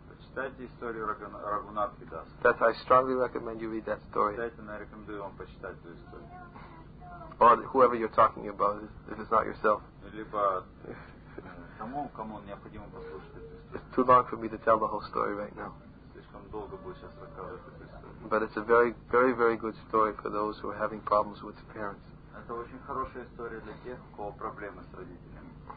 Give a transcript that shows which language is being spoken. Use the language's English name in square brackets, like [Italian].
[Russian] Читайте историю Рагунатхи Дас. [English] That I strongly recommend you read that story. [Russian] Читайте, рекомендую вам почитать эту историю. [English] Or whoever you're talking about, if it's not yourself. [Russian] Либо кому необходимо послушать эту историю. [English] It's too long for me to tell the whole story right now. [Russian] Слишком долго будет сейчас рассказывать эту историю. [English] But it's a very, very, very good story for those who are having problems with parents. [Russian] Это очень хорошая история для тех, у кого проблемы с родителями.